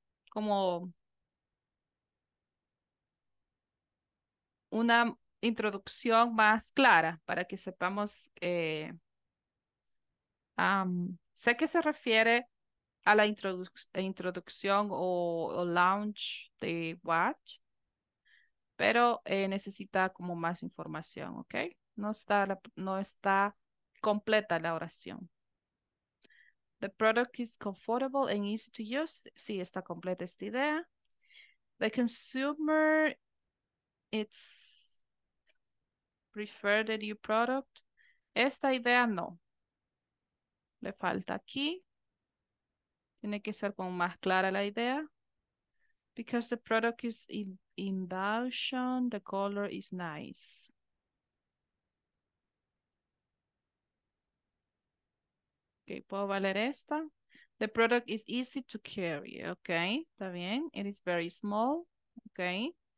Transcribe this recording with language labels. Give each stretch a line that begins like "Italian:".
Spanish: Como una introducción más clara para que sepamos, sé que se refiere a la introducción o launch de Watch, pero necesita como más información, ¿ok? No está completa la oración.
English: The product is comfortable and easy to use.
Spanish: Sí, está completa esta idea.
English: The consumer, it's preferred a new product.
Spanish: Esta idea no. Le falta aquí. Tiene que ser como más clara la idea.
English: Because the product is in motion, the color is nice. Okay,
Spanish: ¿puedo valer esta?
English: The product is easy to carry. Okay,
Spanish: está bien.
English: It is very small. Okay.